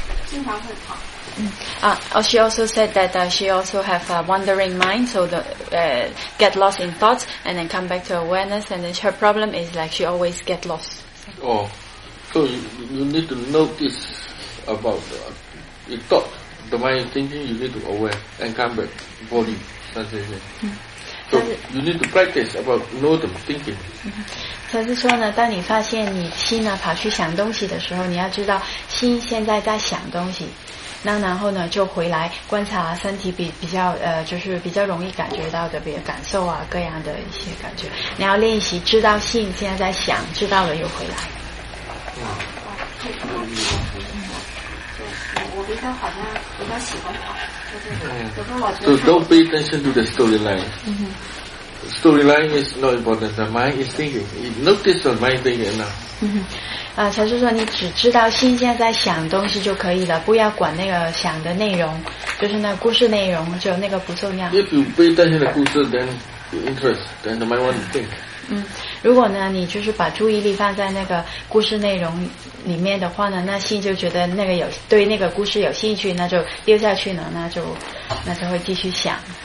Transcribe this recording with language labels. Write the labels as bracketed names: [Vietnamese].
[English] She also said that she also have a wandering mind, so get lost in thoughts and then come back to awareness, and then her problem is like she always get lost. Oh, so you need to notice about the thought, the mind thinking, you need to aware and come back, body sensation. So you need to practice about know the thinking. [Chinese] 他是说呢，当你发现你心呢跑去想东西的时候，你要知道心现在在想东西，那然后呢就回来观察身体比较容易感觉到的，比如感受啊各样的一些感觉，你要练习知道心现在在想，知道了又回来。我比较好像比较喜欢跑，就是有时候我觉得。 [English] So don't pay attention to the storyline. Storyline is not important. The mind is thinking. Notice the mind thinking now. [Chinese] 才是说你只知道心现在在想东西就可以了，不要管那个想的内容，就是那故事内容，就那个不重要。 [English] If you pay attention to the 故事, then you interest, then the mind want to think. [Chinese] 如果呢，你就是把注意力放在那个故事内容里面的话呢，那心就觉得那个有对那个故事有兴趣，那就丢下去了，那就会继续想。